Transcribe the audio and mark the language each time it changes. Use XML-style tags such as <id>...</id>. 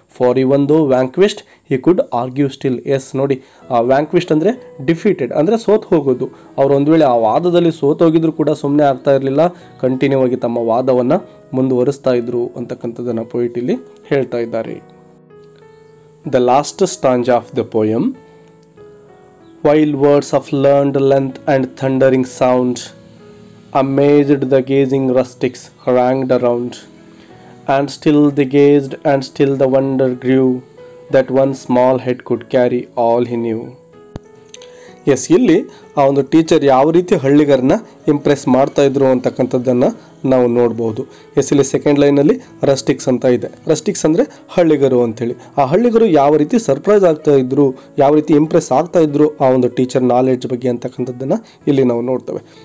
<en>For even though vanquished he could argue still yes.</en> <kn>ನೋಡಿ, ಆ ವ್ಯಾಂಕ್ವಿಸ್ಟ್ ಅಂದರೆ ಡಿಫೀಟೆಡ್ ಅಂದರೆ ಸೋತ್ ಹೋಗೋದು. ಅವರು ಒಂದು ವೇಳೆ ಆ ವಾದದಲ್ಲಿ ಸೋತೋಗಿದ್ರು ಕೂಡ ಸುಮ್ಮನೆ ಆಗ್ತಾ ಇರಲಿಲ್ಲ, ಕಂಟಿನ್ಯೂ ಆಗಿ ತಮ್ಮ ವಾದವನ್ನು ಮುಂದುವರಿಸ್ತಾ ಇದ್ರು ಅಂತಕ್ಕಂಥದ್ದನ್ನು ಪೋಯಿಟ್ ಇಲ್ಲಿ ಹೇಳ್ತಾ ಇದ್ದಾರೆ.</kn> <en>The last stanza of the poem. Wild words of learned length and thundering sound amazed the gazing rustics harangued around. And still they gazed, and still the wonder grew that one small head could carry all he knew.</en> <kn>S, ಇಲ್ಲಿ ಆ ಒಂದು teacher ಯಾವ ರೀತಿ ಹಳ್ಳಿಗರನ್ನ Impress ಮಾಡ್ತಾ ಇದ್ರು ಅಂತಕ್ಕಂಥದ್ದನ್ನು ನಾವು ನೋಡ್ಬೋದು. ಎಸ್, ಇಲ್ಲಿ ಸೆಕೆಂಡ್ ಲೈನಲ್ಲಿ ರಸ್ಟಿಕ್ಸ್ ಅಂತ ಇದೆ. ರಸ್ಟಿಕ್ಸ್ ಅಂದರೆ ಹಳ್ಳಿಗರು ಅಂಥೇಳಿ. ಆ ಹಳ್ಳಿಗರು ಯಾವ ರೀತಿ ಸರ್ಪ್ರೈಸ್ ಆಗ್ತಾ ಇದ್ರು, ಯಾವ ರೀತಿ ಇಂಪ್ರೆಸ್ ಆಗ್ತಾ ಇದ್ರು ಆ ಒಂದು ಟೀಚರ್ ನಾಲೆಡ್ಜ್ ಬಗ್ಗೆ ಅಂತಕ್ಕಂಥದ್ದನ್ನು ಇಲ್ಲಿ ನಾವು ನೋಡ್ತೇವೆ.</kn>